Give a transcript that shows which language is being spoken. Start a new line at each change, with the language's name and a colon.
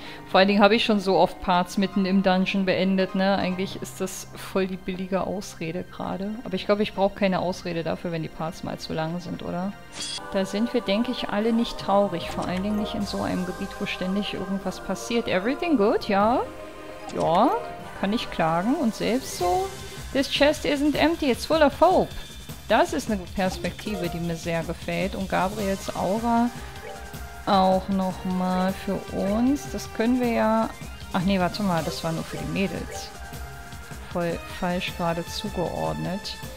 German: Vor allen Dingen habe ich schon so oft Parts mitten im Dungeon beendet, ne? Eigentlich ist das voll die billige Ausrede gerade. Aber ich glaube, ich brauche keine Ausrede dafür, wenn die Parts mal zu lang sind, oder? Da sind wir, denke ich, alle nicht traurig. Vor allen Dingen nicht in so einem Gebiet, wo ständig irgendwas passiert.
English: Everything good,
German: ja? Ja, kann ich klagen. Und selbst so?
English: This chest isn't empty, it's full of hope.
German: Das ist eine Perspektive, die mir sehr gefällt. Und Gabriels Aura... Auch nochmal für uns. Das können wir ja... Ach nee, warte mal. Das war nur für die Mädels. Voll falsch gerade zugeordnet.